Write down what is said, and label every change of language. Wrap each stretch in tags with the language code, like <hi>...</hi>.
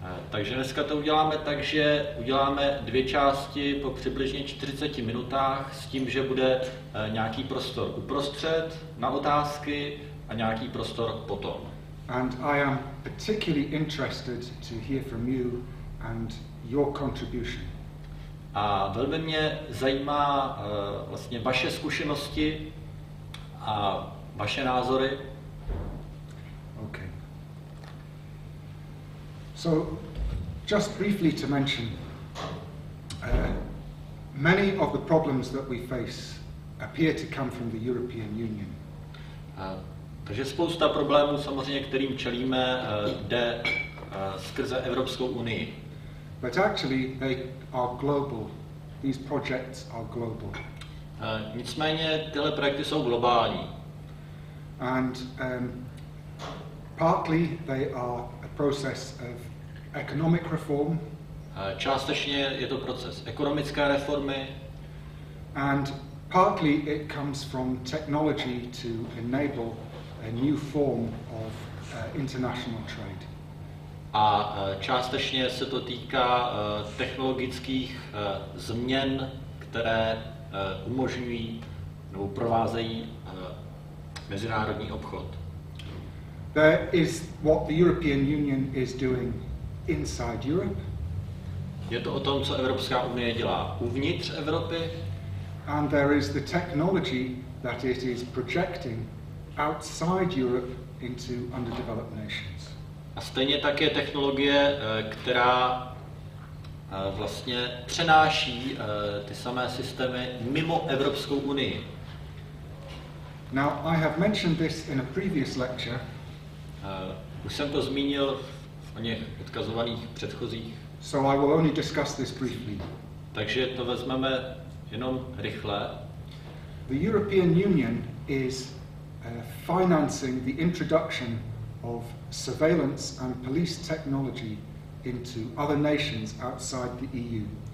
<cs>Takže dneska to uděláme tak, že uděláme dvě části po přibližně 40 minutách s tím, že bude nějaký prostor uprostřed na otázky a nějaký prostor potom.</cs> <en>And I am particularly interested to hear from you and your contribution.</en> <cs>A velmi mě zajímá vlastně vaše zkušenosti a vaše názory.</cs> <en>Okay. So just briefly to mention many of the problems that we face appear to come from the European Union.</en> <cs>Takže spousta problémů, samozřejmě, kterým čelíme, jde skrze Evropskou unii.</cs> <en>But actually, they are global. These projects are global.</en> <cs>Nicméně tyhle projekty jsou globální.</cs> <en>And partly they are a process of economic reform.</en> <cs>Částečně je to proces ekonomické reformy.</cs> <en>And partly it comes from technology to enable a new form of international trade.</en> <cs>A částečně se to týká technologických změn, které umožňují nebo provázejí mezinárodní obchod.</cs> <en>There is what the European Union is doing inside Europe.</en> <cs>Je to o tom, co Evropská unie dělá uvnitř Evropy.</cs> <en>And there is the technology that it is projecting outside Europe into underdeveloped nations.</en> <cs>A stejně tak je technologie, která vlastně přenáší ty samé systémy mimo Evropskou unii.</cs> <en>Now I have mentioned this in a previous lecture.</en> <cs>Už jsem to zmínil v oněch odkazovaných předchozích.</cs> <en>So I will only discuss this briefly.</en> <cs>Takže to vezmeme jenom rychle.</cs> <en>The European Union is financing the introduction of surveillance and police technology into other nations outside the EU.</en>